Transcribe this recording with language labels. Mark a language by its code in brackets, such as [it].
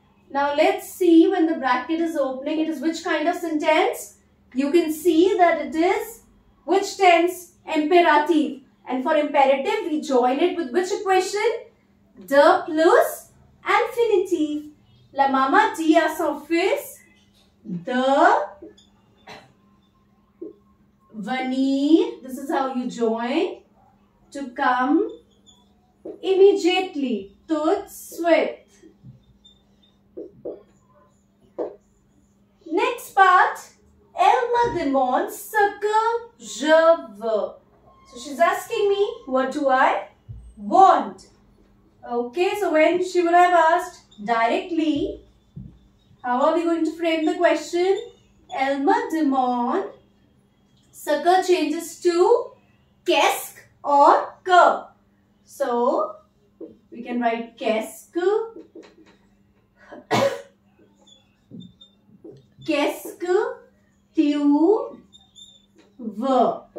[en] Now let's see when the bracket is opening, it is which kind of sentence? You can see that it is which tense? Imperative. And for imperative, we join it with which equation? [fr] De plus infinitive. La mama dit à son fils de venir. [en] This is how you join. To come immediately. [fr] Tout suite. [en] Next part, [fr] elle me demande ce que je veux. [en] So she's asking me, what do I want? Okay, so when she would have asked directly, how are we going to frame the question? [fr] Elle me demande, ce que [en] changes to [fr] qu'est-ce or que. [en] So we can write qu'est-ce. [fr] Qu'est-ce que tu veux?